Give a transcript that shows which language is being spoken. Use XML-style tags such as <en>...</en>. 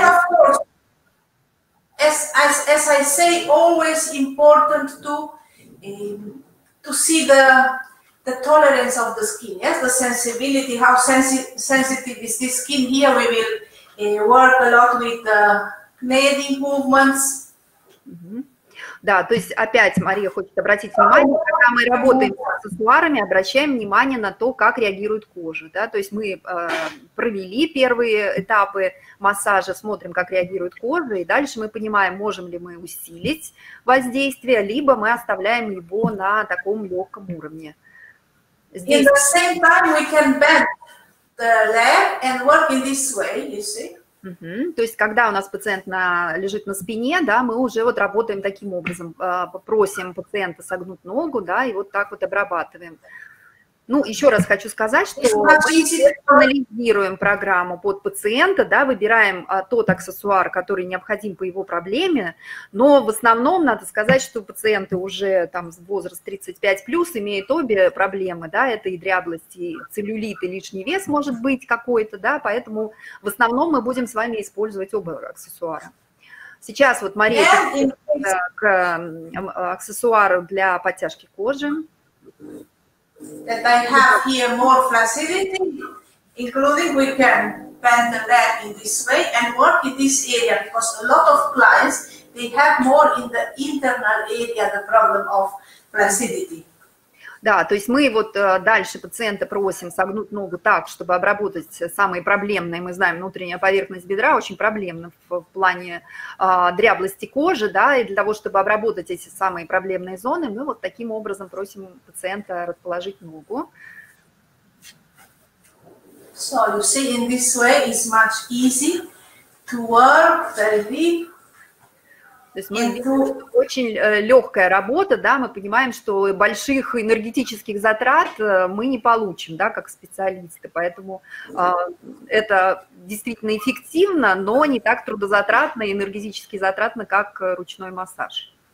<en>And of course, as I say, always important to see the tolerance of the skin, yes, the sensibility, how sensitive is this skin. Here we will work a lot with the kneading movements.</en> <ru>Да, то есть опять Мария хочет обратить внимание, когда мы работаем с аксессуарами, обращаем внимание на то, как реагирует кожа. Да? То есть мы провели первые этапы массажа, смотрим, как реагирует кожа, и дальше мы понимаем, можем ли мы усилить воздействие, либо мы оставляем его на таком легком уровне. Здесь...</ru> <en>In the same time we can bend the leg and work in this way, you see.</en> <ru>То есть, когда у нас пациент лежит на спине, да, мы уже вот работаем таким образом, просим пациента согнуть ногу, да, и вот так вот обрабатываем. Ну, еще раз хочу сказать, что мы анализируем программу под пациента, да, выбираем тот аксессуар, который необходим по его проблеме, но в основном надо сказать, что пациенты уже там с возраст 35+, имеют обе проблемы, да, это и дряблость, и целлюлит, и лишний вес может быть какой-то, да, поэтому в основном мы будем с вами использовать оба аксессуара. Сейчас вот Мария к аксессуару для подтяжки кожи.</ru> <en>That I have here more flexibility, including we can bend the leg in this way and work in this area because a lot of clients, they have more in the internal area the problem of flexibility.</en> <ru>Да, то есть мы вот дальше пациента просим согнуть ногу так, чтобы обработать самые проблемные, мы знаем, внутренняя поверхность бедра очень проблемна в плане дряблости кожи, да, и для того, чтобы обработать эти самые проблемные зоны, мы вот таким образом просим пациента расположить ногу.</ru> <en>So, you see, in this way it's much easier to work very big.</en> <ru>То есть мы видим, что очень легкая работа, да, мы понимаем, что больших энергетических затрат мы не получим, да, как специалисты, поэтому это действительно эффективно, но не так трудозатратно и энергетически затратно, как ручной массаж.</ru>